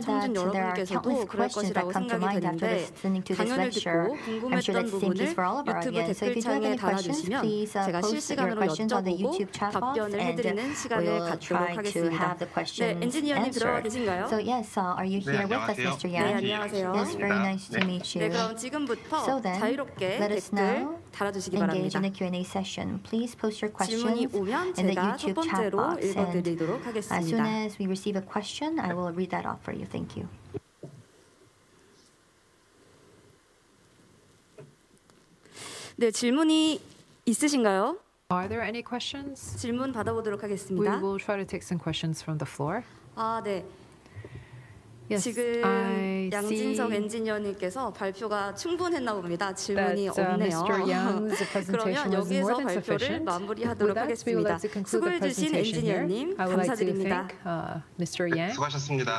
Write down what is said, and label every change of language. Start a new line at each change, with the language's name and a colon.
Korean: 청중 여러분께서도 그럴 것이라고 생각이 되는데 강연을 듣고 궁금했던 부분을 유튜브 댓글창에 달아주시면 제가 실시간으로 여쭤보고 답변을 해드리는 시간을 갖도록 하겠습니다. 네, 엔지니어님 들어와 계신가요? 네, 안녕하세요. 네, 안녕하세요. 네, 그럼 지금부터
English: so then,
Korean: 자유롭게 댓글 달아주시기 바랍니다.
English: In the Q&A session. Please post your questions
Korean: 질문이 오면 제가 첫 번째로 읽어드리도록 하겠습니다.
English: As soon as we receive a question, I will read that off for you. Thank you.
Korean: 네, 질문이 있으신가요?
English: Are there any questions?
Korean: 질문 받아보도록 하겠습니다.
English: We will try to take some questions from the floor.
Korean: 아, 네. Yes, 지금 양진석 엔지니어님께서 발표가 충분했나 봅니다. 질문이 없네요. 그러면 여기서 발표를 마무리하도록 하겠습니다. 수고해주신 엔지니어님 감사드립니다.
English: Mr. Yang.
Korean: 수고하셨습니다.